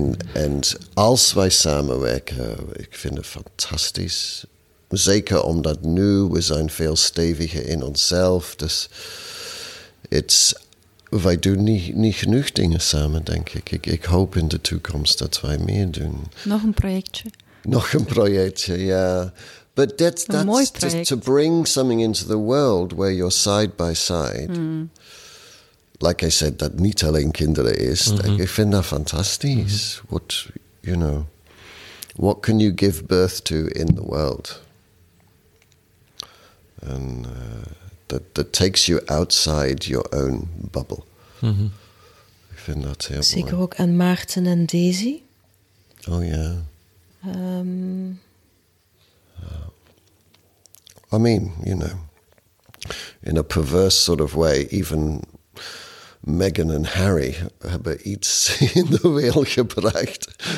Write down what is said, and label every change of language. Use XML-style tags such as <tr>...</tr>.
<nl>En als wij samenwerken, ik vind het fantastisch. Zeker omdat nu we zijn veel steviger in onszelf. Dus wij doen niet genoeg dingen samen, denk ik. Ik hoop in de toekomst dat wij meer doen. Nog een projectje. Nog een projectje, ja.</nl> <en>But that's to bring something into the world where you're side by side. Mm. Like I said, that</en> <nl>niet alleen kinderen is.</nl> <en>Mm-hmm. I find that fantastic. Mm-hmm. What can you give birth to in the world? And that takes you outside your own bubble. Mm-hmm. I find that</en> <nl>heel mooi. Zeker ook aan Maarten en Daisy.</nl> <en>Oh, yeah. I mean, in a perverse sort of way, even Meghan and Harry</en> <nl>hebben iets in de wereld gebracht.</nl>